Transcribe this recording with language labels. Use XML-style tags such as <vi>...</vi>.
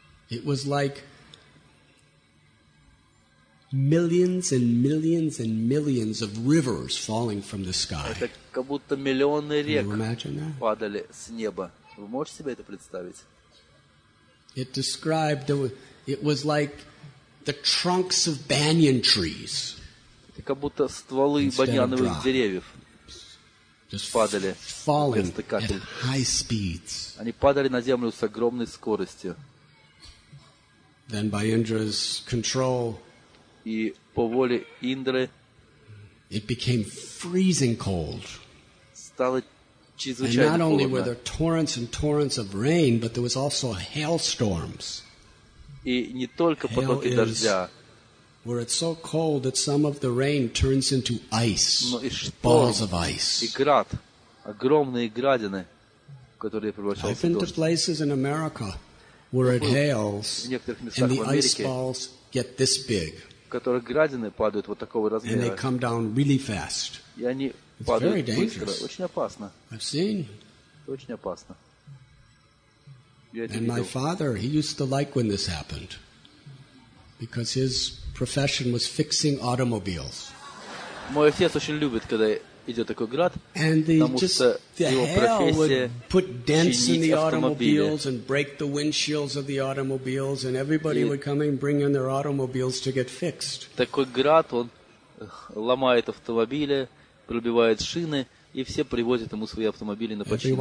<en>It was like millions and millions and millions of rivers falling from the sky.</en> <ru>Это как будто миллионы рек падали с неба. Вы можете себе это представить?</ru> <en>It described the, it was like the trunks of banyan trees.</en> <ru>Это как будто стволы баньяновых деревьев падали.</ru> <en>Falling at high speeds.</en> <ru>Они падали на землю с огромной скоростью.</ru> <en>Then by Indra's control,</en> <ru>и по воле Индры,</ru> <en>it became freezing cold.</en> <ru>Стало чрезвычайно холодно.</ru> <en>And not only were there torrents and torrents of rain, but there was also hailstorms.</en> <ru>И не только потоки дождя.</ru> <en>Where it's so cold that some of the rain turns into ice, balls of ice.</en> <ru>И град, огромные градины, которые превращаются в дождь.</ru> <en>I've been to places in America where it hails, and the ice balls get this big.</en> <ru>В которых градины падают вот такого размера.</ru> <en>And they come down really fast.</en> <ru>И они падают быстро. Очень опасно.</ru> <en>I've seen.</en> <ru>Очень опасно.</ru> <en>And my father, he used to like when this happened. Because his profession was fixing automobiles.</en> <ru>Мой отец очень любит, когда идет такой град.</ru> <en>And the,</en> <ru>потому что</ru> <en>the</en> <ru>его профессия</ru> <en>hail would put dents in the automobiles and break the windshields of the automobiles, and everybody would come and bring in their automobiles to get fixed.</en> <ru>Такой град, он ломает автомобили, пробивает шины, и все привозят ему свои автомобили на починку.</ru>